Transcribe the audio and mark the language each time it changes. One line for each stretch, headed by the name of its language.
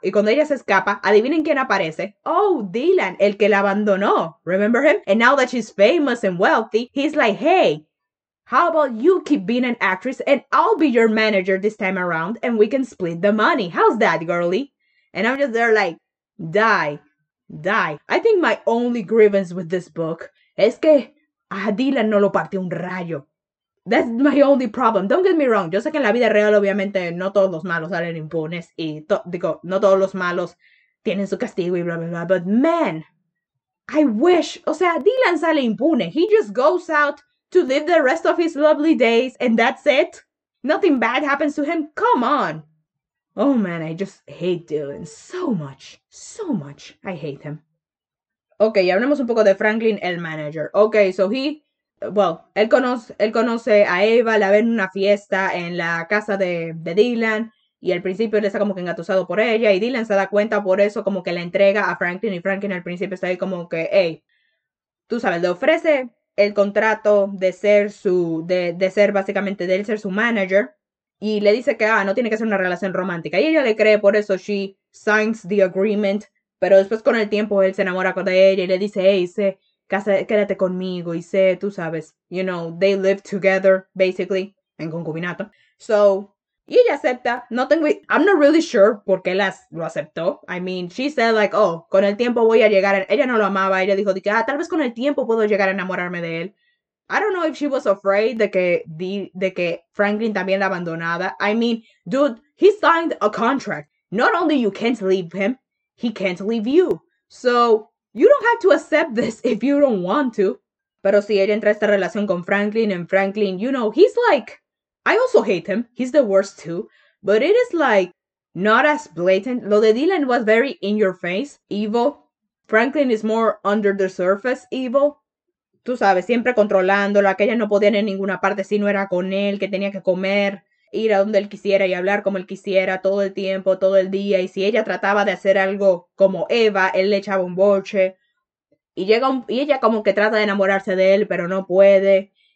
Spanish: Y cuando ella se escapa, adivinen quién aparece. Oh, Dylan, el que la abandonó.
English: Remember him? And now that she's famous and wealthy, he's like, hey, how about you keep being an actress and I'll be your manager this time around and we can split the money. How's that, girly? And I'm just there like, die, die. I think my only grievance with this book is
Spanish: que a Dylan no lo partió un rayo.
English: That's my only problem. Don't get me wrong.
Spanish: Yo sé que en la vida real, obviamente, no todos los malos salen impunes. Y digo, no todos los malos tienen su castigo y bla, bla, bla.
English: But man, I wish.
Spanish: O sea, Dylan sale impune.
English: He just goes out to live the rest of his lovely days and that's it. Nothing bad happens to him. Come on. Oh man, I just hate Dylan so much. So much. I hate him.
Spanish: Okay, hablemos un poco de Franklin, el manager.
English: Okay, so he...
Spanish: Well, él conoce a Eva, la ve en una fiesta en la casa de Dylan, y al principio él está como que engatusado por ella, y Dylan se da cuenta, por eso como que la entrega a Franklin, y Franklin al principio está ahí como que, hey, tú sabes, le ofrece el contrato de ser su, de ser básicamente, de él ser su manager, y le dice que, no tiene que ser una relación romántica, y ella le cree, por eso
English: she signs the agreement,
Spanish: pero después con el tiempo él se enamora de ella, y le dice, hey, sé, quédate conmigo, y sé, tú sabes,
English: you know, they live together, basically,
Spanish: en concubinato. So, y ella acepta,
English: I'm not really sure
Spanish: por qué lo aceptó.
English: I mean, she said like, oh,
Spanish: con el tiempo voy a llegar, ella no lo amaba, ella dijo, tal vez con el tiempo puedo llegar a enamorarme de él.
English: I don't know if she was afraid
Spanish: de que Franklin también la abandonaba.
English: I mean, dude, he signed a contract. Not only you can't leave him, he can't leave you. So, you don't have to accept this if you don't want to.
Spanish: Pero si ella entra a esta relación con Franklin,
English: and Franklin, you know, he's like, I also hate him. He's the worst too. But it is like, not as blatant.
Spanish: Lo de Dylan
English: was very in your face, evil. Franklin is more under the surface, evil.
Spanish: Tú sabes, siempre controlándola, que ella no podía ir en ninguna parte si no era con él, que tenía que comer, ir a donde él quisiera y hablar como él quisiera todo el tiempo, todo el día. Y si ella trataba de hacer algo como Eva, él le echaba un boche. Y llega y ella como que trata de enamorarse de él, pero no puede.